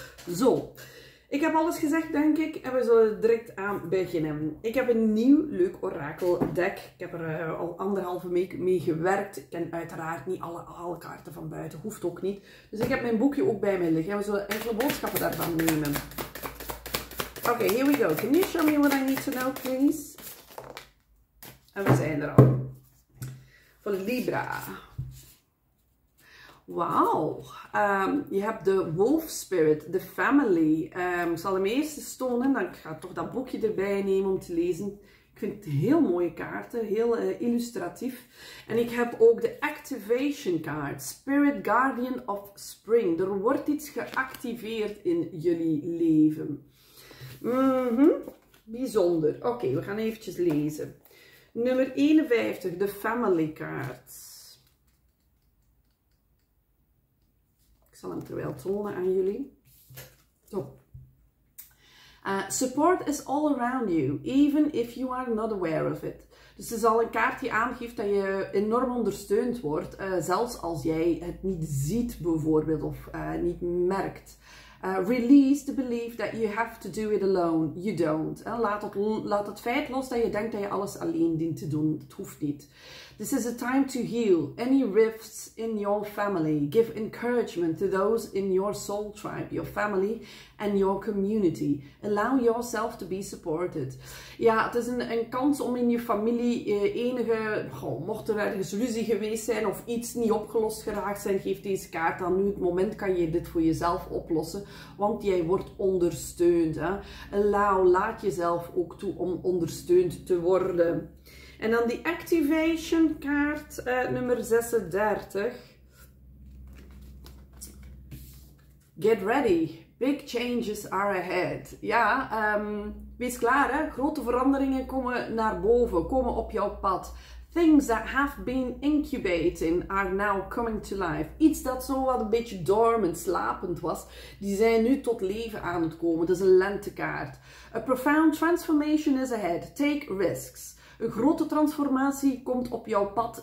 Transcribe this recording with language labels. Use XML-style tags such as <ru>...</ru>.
<nl>Zo, ik heb alles gezegd, denk ik, en we zullen direct aan beginnen. Ik heb een nieuw leuk orakeldek. Ik heb er al anderhalve week mee gewerkt. Ik ken uiteraard niet alle kaarten van buiten, hoeft ook niet. Dus ik heb mijn boekje ook bij mij liggen en we zullen enkele boodschappen daarvan nemen.</nl> <en>Oké, here we go. Can you show me what I need to know, please?</en> <nl>En we zijn er al. Voor Libra. Wauw, je hebt de wolf spirit, de family. Ik zal hem eerst eens tonen, dan ga ik toch dat boekje erbij nemen om te lezen. Ik vind het heel mooie kaarten, heel illustratief. En ik heb ook de activation card, spirit guardian of spring. Er wordt iets geactiveerd in jullie leven. Bijzonder. Oké, we gaan eventjes lezen. Nummer 51, de family card. Ik zal hem terwijl tonen aan jullie. Zo.</nl> <en>Support is all around you, even if you are not aware of it.</en> <nl>Dus het is al een kaart die aangeeft dat je enorm ondersteund wordt, zelfs als jij het niet ziet bijvoorbeeld of niet merkt.</nl> <en>Release the belief that you have to do it alone. You don't.</en> <nl>Laat het feit los dat je denkt dat je alles alleen dient te doen. Het hoeft niet.</nl> <en>This is a time to heal any rifts in your family. Give encouragement to those in your soul tribe, your family and your community. Allow yourself to be supported.</en> <nl>Ja, het is een kans om in je familie mocht er ergens ruzie geweest zijn of iets niet opgelost geraakt zijn, geef deze kaart aan. Nu het moment kan je dit voor jezelf oplossen, want jij wordt ondersteund. Hè? Laat jezelf ook toe om ondersteund te worden. En dan die activation kaart, nummer 36.</nl> <en>Get ready. Big changes are ahead.</en> <nl>Ja, wees klaar. Hè? Grote veranderingen komen naar boven, komen op jouw pad.</nl> <en>Things that have been incubating are now coming to life.</en> <nl>Iets dat zo wat een beetje dormant, slapend was, die zijn nu tot leven aan het komen. Dat is een lentekaart.</nl> <en>A profound transformation is ahead. Take risks.</en> <nl>Een grote transformatie komt op jouw pad.</nl>